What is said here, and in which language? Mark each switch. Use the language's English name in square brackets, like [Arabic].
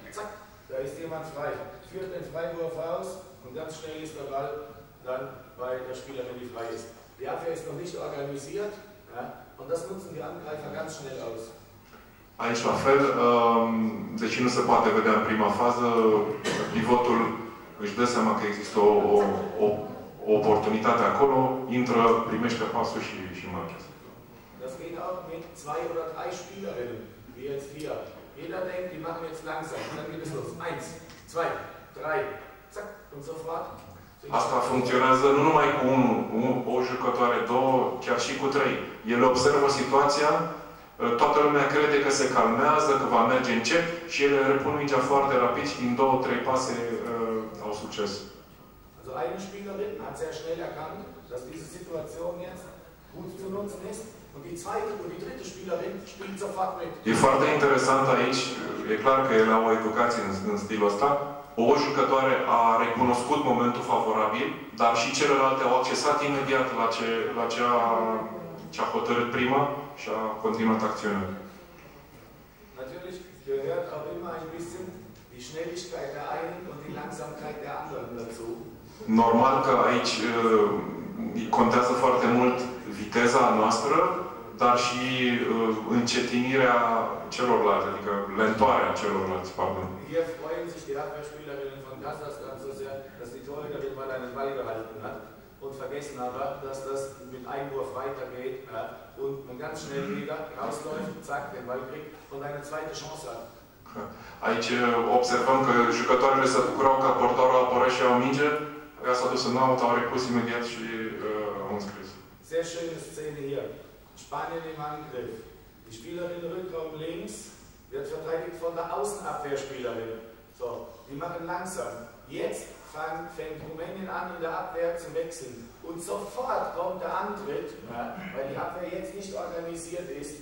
[German] Zack, da ist jemand frei. Führt den Freiwurf aus und ganz schnell ist der Ball dann bei der Spielerin, die frei ist. Die Abwehr ist noch nicht organisiert, ja, und das nutzen die Angreifer ganz schnell aus. [Romanian] Aici la fel, deci nu se poate vedea în prima fază, pivotul își dă seama că există o oportunitate acolo, intră, primește pasul și marchează. [German] Das geht auch mit zwei oder drei Spielerinnen, wie jetzt hier. Jeder denkt, die machen jetzt langsam, und dann geht es los. Eins, zwei, drei, zack, und sofort. [Romanian] Asta funcționează nu numai cu o jucătoare, două, chiar și cu trei. El observă situația, toată lumea crede că se calmează, că va merge încet și ele repun mingea foarte rapid și din două, trei pase au succes. [German] Also eine Spielerin hat sehr schnell erkannt, dass diese Situation jetzt gut zu nutzen ist und die zweite und die dritte Spielerin spielt sofort mit. [Romanian] E foarte interesant aici, e clar că ele au o educație în stilul ăsta. O jucătoare a recunoscut momentul favorabil, dar și celelalte au accesat imediat la ce a hotărât prima și a continuat acțiunea. [German] Natürlich gehört auch immer ein bisschen die Schnelligkeit der einen und die Langsamkeit der anderen dazu. [Romanian] Normal că aici contează foarte mult viteza noastră, dar și încetinirea celorlalți, adică lentoarea celorlalți, pardon. [German] Hier freuen sich die Abwehrspielerinnen von Kasachstan so sehr, dass die Torhüterin mal einen Ball gehalten hat. Und vergessen aber, dass das mit Einwurf weitergeht und man ganz schnell wieder rausläuft, zack, den Ball kriegt und eine zweite Chance hat. [Romanian] Aici observăm că jucătoarele se bucurau că portarul a apărat și au minge, ea s-a dus în aut, au recurs imediat și au înscris. [German] Sehr schöne Szene hier. Spanien im Angriff. Die Spielerin Rückraum links wird verteidigt von der Außenabwehrspielerin. So, die machen langsam. Jetzt fängt Rumänien an, in der Abwehr zu wechseln. Und sofort kommt der Antritt, ja, weil die Abwehr jetzt nicht organisiert ist.